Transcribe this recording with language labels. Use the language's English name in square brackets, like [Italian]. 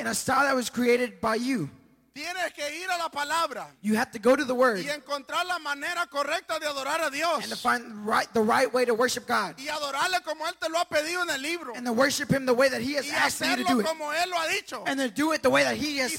[English] In a style that was created by you. [Spanish] Tienes que ir a la palabra. [English] You have to go to the word. [Spanish] Y encontrar la manera correcta de adorar a Dios. [English] And to find the right way to worship God. [Spanish] Y adorarle como él te lo ha pedido en el libro. [English] And to worship him the way that he has asked you to do it. [Spanish] Y hacerlo como él lo ha dicho. [English] And to do it the way that he has